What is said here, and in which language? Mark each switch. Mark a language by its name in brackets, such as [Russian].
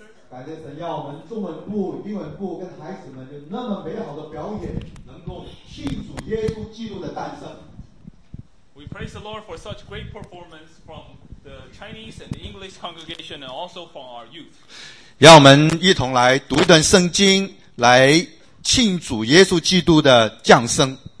[Chinese] 感谢神，要我们中文部、英文部跟孩子们有那么美好的表演，能够庆祝耶稣基督的诞生。 [English] We praise the Lord for such great performance from the Chinese and the English congregation, and also from our youth. [Chinese] 让我们一同来读一段圣经，来庆祝耶稣基督的降生。